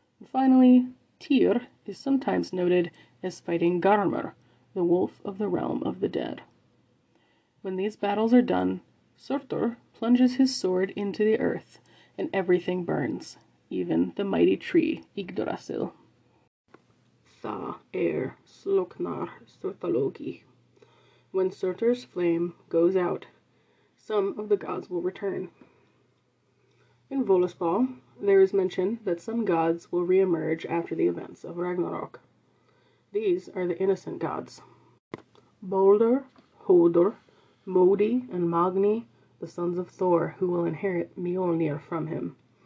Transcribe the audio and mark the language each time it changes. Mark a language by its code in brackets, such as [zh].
[en] Finally, Tyr is sometimes noted as fighting Garmr, the wolf of the realm of the dead. When these battles are done, Surtur plunges his sword into the earth, and everything burns, even the mighty tree Yggdrasil. [is] Það slokknar Surtalogi. [en] When Surtur's flame goes out, some of the gods will return. In Völuspá, there is mention that some gods will reemerge after the events of Ragnarok. These are the innocent gods. Baldur, Hodur, Modi, and Magni, the sons of Thor who will inherit Mjolnir from him.